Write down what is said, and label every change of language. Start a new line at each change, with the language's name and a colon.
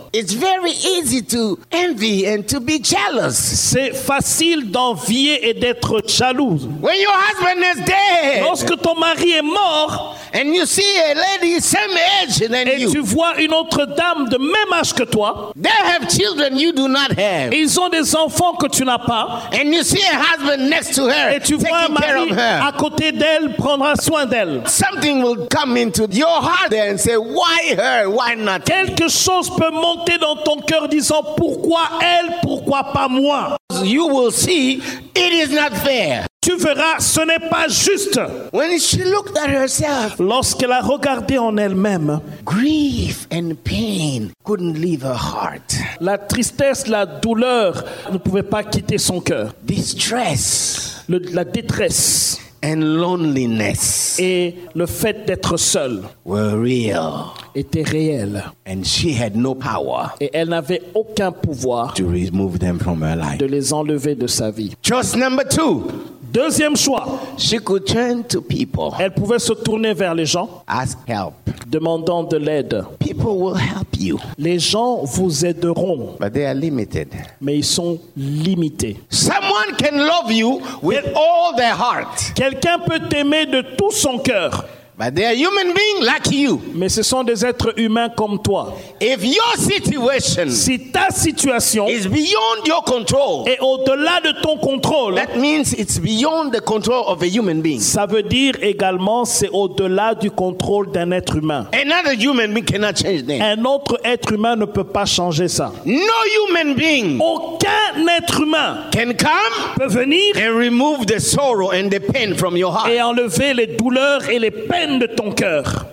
English: it's very easy to envy and to be jealous.
French: C'est facile d'envier et d'être jalouse.
English: When your husband is dead,
French: lorsque ton mari est mort,
English: and you see a lady same age than
French: et
English: you,
French: tu vois une autre dame de même âge que toi,
English: they have children you do not have.
French: Ils ont des enfants que tu n'as pas,
English: and you see a husband next to her,
French: et tu vois un mari à côté d'elle prendre soin d'elle.
English: Something will come into your heart and say, why her, why not?
French: Quelque chose peut monter dans ton cœur disant pourquoi elle, pourquoi pas moi?
English: You will see it is not fair.
French: Tu verras, ce n'est pas juste.
English: When she looked at herself,
French: lorsqu'elle a regardé en elle-même,
English: grief and pain couldn't leave her heart.
French: La tristesse, la douleur ne pouvait pas quitter son cœur.
English: Distress,
French: la détresse.
English: And loneliness,
French: et le fait d'être seul,
English: were real,
French: était réel.
English: And she had no power,
French: et elle n'avait aucun pouvoir,
English: to remove them from her life,
French: de les enlever de sa vie.
English: Choice number two,
French: deuxième choix,
English: she could turn to people,
French: elle pouvait se tourner vers les gens,
English: ask help,
French: demandant de l'aide.
English: People will help you,
French: les gens vous aideront,
English: but they are limited,
French: mais ils sont limités.
English: Someone can love you with all their heart.
French: Quelqu'un peut t'aimer de tout son cœur.
English: But they are human beings like you.
French: Mais ce sont des êtres humains comme toi.
English: If your situation,
French: si ta situation
English: is beyond your control,
French: est au-delà de ton contrôle,
English: that means it's beyond the control of a human being.
French: Ça veut dire également c'est au-delà du contrôle d'un être humain.
English: Another human being cannot change that.
French: Un autre être humain ne peut pas changer ça.
English: No human being,
French: aucun être humain
English: can come,
French: peut venir,
English: and remove the sorrow and the pain from your heart.
French: Et enlever les douleurs et les peine de ton cœur.